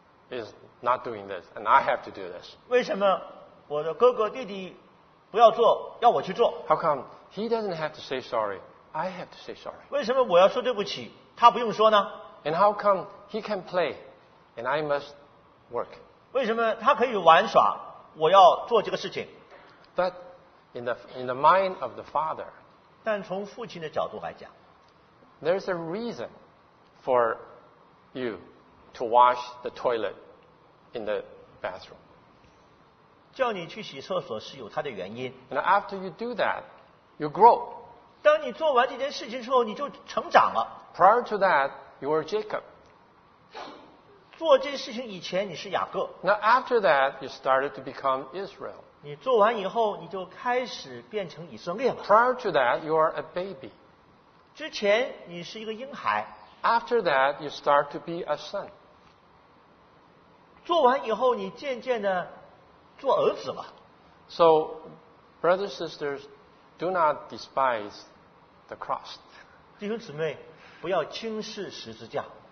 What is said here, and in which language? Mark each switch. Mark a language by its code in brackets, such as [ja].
[en] is not doing this, and I have to do this. [zh] 为什么我的哥哥弟弟不要做，要我去做？ [en] How come he doesn't have to say sorry? I have to say sorry. [zh] 为什么我要说对不起，他不用说呢？ [en] And how come he can play, and I must work? [zh] 为什么他可以玩耍，我要做这个事情？ [en] But in the mind of the father, [zh] 但从父亲的角度来讲， [en] there's a reason for you to wash the toilet in the bathroom. [zh] 叫你去洗厕所是有它的原因。 [en] And after you do that, you grow. [zh] 当你做完这件事情之后，你就成长了。 [en] Prior to that, you were Jacob. [zh] 做这事情以前你是雅各。 [en] Now after that, you started to become Israel. [zh] 你做完以后，你就开始变成以色列了。 [en] Prior to that, you are a baby. [zh] 之前你是一个婴孩。 [en] After that, you start to be a son. [zh] 做完以后，你渐渐的做儿子了。 [en] So, brothers and sisters, do not despise the cross. [zh] 弟兄姊妹，不要轻视十字架。